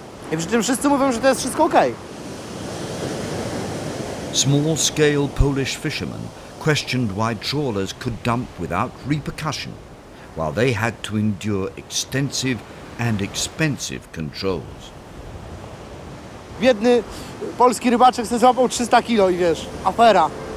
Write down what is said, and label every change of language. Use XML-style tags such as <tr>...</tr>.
<pl>I przy tym wszyscy mówią, że to jest wszystko okej.</pl> <en>Small-scale Polish fishermen questioned why trawlers could dump without repercussion, while they had to endure extensive and expensive controls.</en> <pl>Biedny polski rybaczek se złapał 300 kilo i wiesz, afera.</pl>